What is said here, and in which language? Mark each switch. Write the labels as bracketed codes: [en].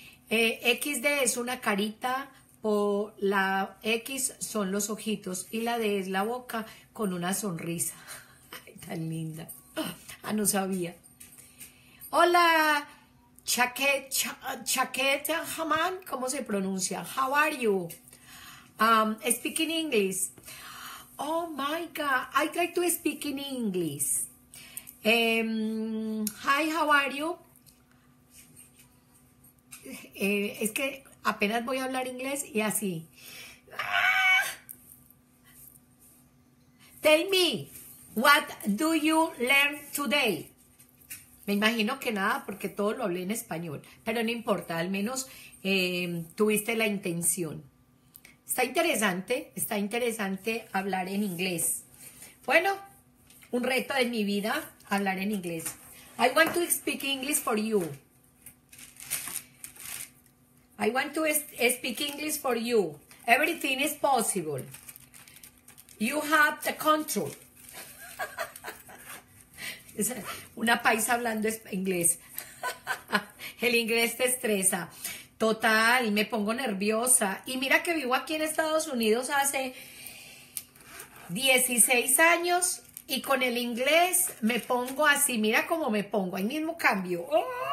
[es] XD es una carita, por la X son los ojitos y la D es la boca con una sonrisa. Ay, tan linda. Ah, no sabía. Hola, Chaqueta Haman, ¿cómo se pronuncia? [en] How are you? Speak in English. Oh my God, I try to speak in English. Hi, how are you? [es] Es que apenas voy a hablar inglés y así. [en] Tell me, what do you learn today? [es] Me imagino que nada, porque todo lo hablé en español, pero no importa, al menos tuviste la intención. Está interesante hablar en inglés. Bueno, un reto de mi vida, hablar en inglés. [en] I want to speak English for you. I want to speak English for you. Everything is possible. You have the control. [es] Es una paisa hablando inglés. El inglés te estresa. Total, me pongo nerviosa. Y mira que vivo aquí en Estados Unidos hace 16 años y con el inglés me pongo así. Mira cómo me pongo. Ahí mismo cambio. ¡Oh!